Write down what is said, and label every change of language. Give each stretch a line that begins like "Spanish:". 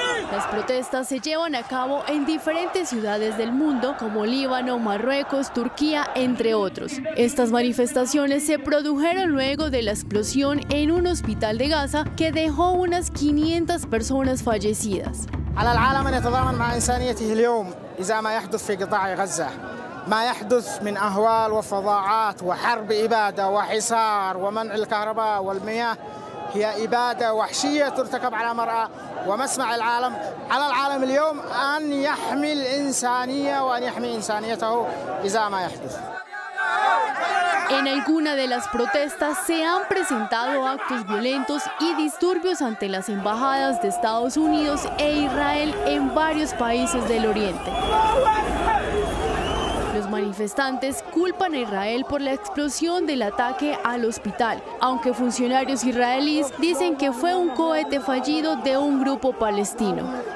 Spanish: Las protestas se llevan a cabo en diferentes ciudades del mundo, como Líbano, Marruecos, Turquía, entre otros. Estas manifestaciones se produjeron luego de la explosión en un hospital de Gaza que dejó unas 500 personas fallecidas.
Arabic: على العالم ان يتضامن مع انسانيته اليوم اذا ما يحدث في قطاع غزه ما يحدث من اهوال وفظاعات وحرب اباده وحصار ومنع الكهرباء والمياه هي اباده وحشيه ترتكب على مرأى ومسمع العالم على العالم اليوم ان يحمي الانسانيه وان يحمي انسانيته اذا ما يحدث.
Spanish: En alguna de las protestas se han presentado actos violentos y disturbios ante las embajadas de Estados Unidos e Israel en varios países del Oriente. Los manifestantes culpan a Israel por la explosión del ataque al hospital, aunque funcionarios israelíes dicen que fue un cohete fallido de un grupo palestino.